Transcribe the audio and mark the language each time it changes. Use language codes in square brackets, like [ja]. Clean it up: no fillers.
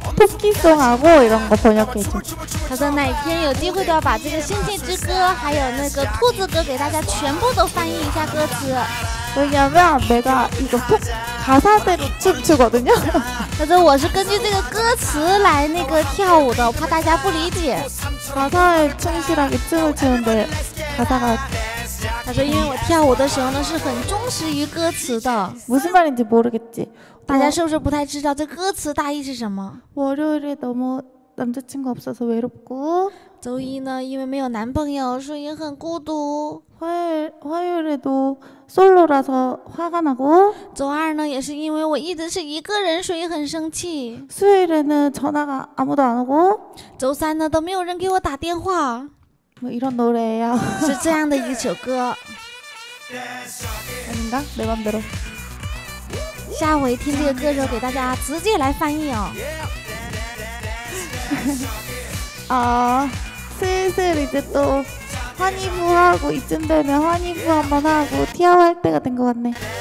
[ko] 포키송하고 이런 거 번역해 줘. [zh] 可是哪天有机会都要把这个星际之歌还有那个兔子歌给大家全部都翻译一下歌词。 [ko] 왜냐면 내가 이거 톡 가사대로 춤추거든요. [zh] 可是我是根据这个歌词来那个跳舞的，怕大家不理解。 [ko] 가사에 충실하게 춤을 추는데 가사가. [zh] 可是因为我跳舞的时候呢是很忠实于歌词的。 [ko] 무슨 말인지 모르겠지. [zh] 大家是不是不太知道这歌词大意是什么？ [ko] 월요일에 너무 남자친구 없어서 외롭고. [zh] 周一呢因为没有男朋友所以很孤独。 [ko] 화요일에도 솔로라서 화가 나고. [zh] 周二呢也是因为我一直是一个人所以很生气。 [ko] 수요일에는 전화가 아무도 안 오고. [zh] 周三呢都没有人给我打电话。 [ko] 뭐 이런 노래예요. [zh] 是这样的一首歌。 [ko] 아닌가? 내 맘대로. [zh] 下回听这个歌的时候给大家直接来翻译哦。 [ko] 슬슬 이제 또 환희부하고 이쯤 되면 환희부 한번 하고 티아오 할 때가 된 것 같네.